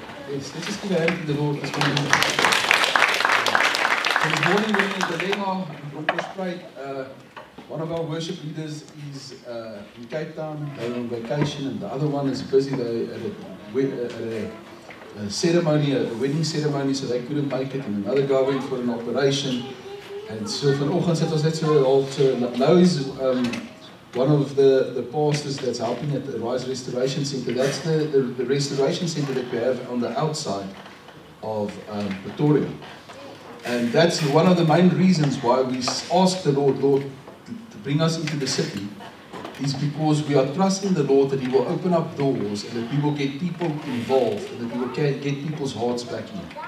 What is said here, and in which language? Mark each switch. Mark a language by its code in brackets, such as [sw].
[en] Yes, let's just give a hand to the Lord this morning. Good morning, my name is Dilema. I'm from Bush Plate. One of our worship leaders is in Cape Town. They're on vacation, and the other one is busy. They're at a wedding ceremony, so they couldn't make it. And another guy went for an operation. And so, [af] van ochtend het ons net so altar. [en] Now is one of the pastors that's helping at the Rise Restoration Center. That's the restoration center that we have on the outside of Pretoria. And that's one of the main reasons why we ask the Lord to bring us into the city, is because we are trusting the Lord that He will open up doors and that we will get people involved and that we will get people's hearts back in.